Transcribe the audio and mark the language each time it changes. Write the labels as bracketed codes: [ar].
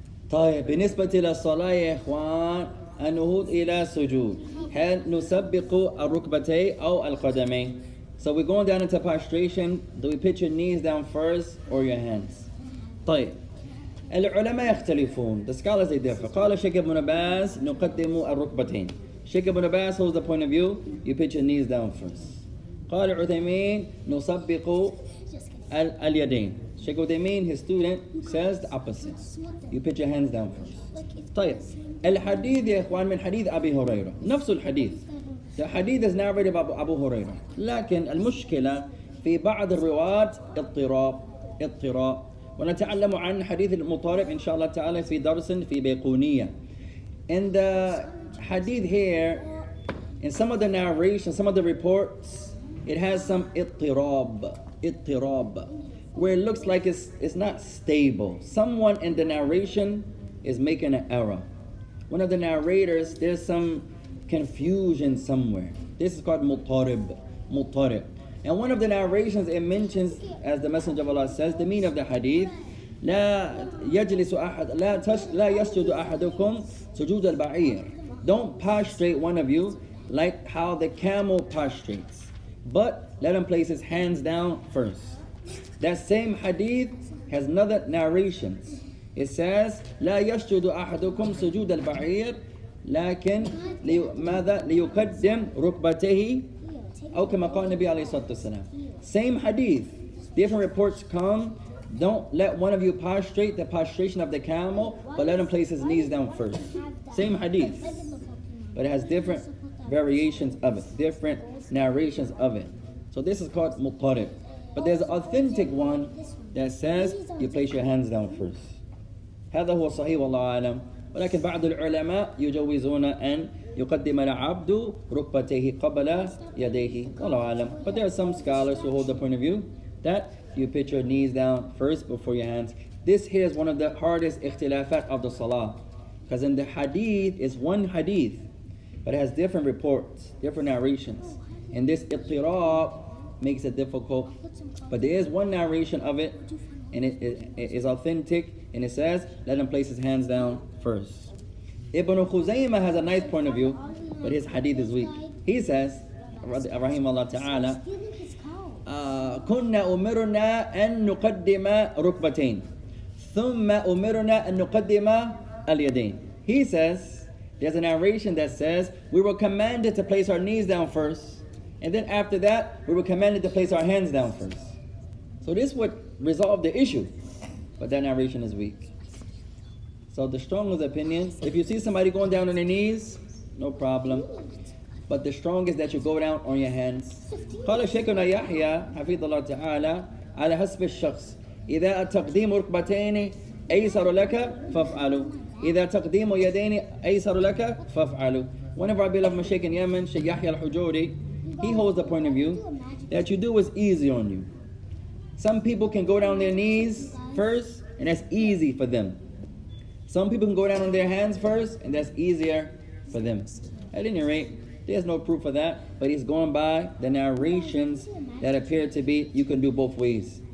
[ar] طيب بالنسبة للصلاة يا إخوان النهوض إلى سجود هل نسبق الركبتين أو القدمين؟ [en] So we're going down into prostration. Do we put your knees down first or your hands? [ar] طيب العلماء يختلفون. [en] The scholars they differ. [ar] قال الشيخ ابن باز نقدم الركبتين. [en] Sheikh ابن باز, who's the point of view? You put your knees down first. [ar] قال عثيمين نسبق اليدين. [en] Sheikh Uthaymeen, his student, says the opposite. You put your hands down first. [ar] طيب. الحديث يا إخوان من حديث أبي هريرة. نفس الحديث. [en] The hadith is narrated by Abu Huraira. [ar] لكن المشكلة في بعض الرواة اضطراب. اضطراب. ونتعلم عن حديث المطارب إن شاء الله تعالى في درس في بيقونية. [en] In the hadith here, in some of the narration, some of the reports, it has some اضطراب. [ar] اضطراب. [en] Where it looks like it's not stable. Someone in the narration is making an error. One of the narrators, there's some confusion somewhere. This is called mutarib. Mutarib. And one of the narrations, it mentions, as the Messenger of Allah says, the meaning of the hadith, [ar] la yajlisu ahad, la yasjudu ahadukum sujud al-ba'ir. [en] Don't prostrate one of you like how the camel prostrates, but let him place his hands down first. That same hadith has another narration. It says, [ar] لا يسجد أحدكم سجود البعير لكن ماذا ليقدم ركبته أو كما قال النبي عليه الصلاة والسلام. [en] Same hadith. Different reports come. Don't let one of you prostrate the prostration of the camel, but let him place his knees down first. Same hadith. But it has different variations of it, different narrations of it. So this is called مطارب. But there's an authentic one that says you place your hands down first. [ar] هذا هو صحيح والله أعلم. ولكن بعض العلماء يجوزون أن يقدم العبد ركبتيه قبل يديه. والله أعلم. [en] But there are some scholars who hold the point of view that you put your knees down first before your hands. This here is one of the hardest اختلافات of the salah. Because in the hadith, it's one hadith. But it has different reports, different narrations. And this اضطراب makes it difficult. But there is one narration of it, and it is authentic, and it says, let him place his hands down first. Ibn Khuzaymah has a nice point of view, but his hadith is weak. He says, [ar] رحمه الله تعالى, كُنَّا أُمِرُنَا أَن نُقَدِّمَ رُكْبَتَيْن ثُمَّ أُمِرُنَا أَن نُقَدِّمَ الْيَدَيْن. [en] He says, there's a narration that says, we were commanded to place our knees down first, and then after that, we were commanded to place our hands down first. So this would resolve the issue. But that narration is weak. So the strongest opinion, if you see somebody going down on their knees, no problem. But the strongest that you go down on your hands. [ar] قال شيخنا يحيى حفظه الله تعالى على حسب الشخص إذا تقديم ركبتين أيسر لك فافعلوا إذا تقديم يدين أيسر لك فافعلوا. [en] One of our beloved Sheikh in Yemen, Sheikh Yahya al-Hujuri, He holds the point of view that you do what's easy on you. Some people can go down their knees first, and that's easy for them. Some people can go down on their hands first, and that's easier for them. At any rate, there's no proof of that, but he's going by the narrations that appear to be, you can do both ways.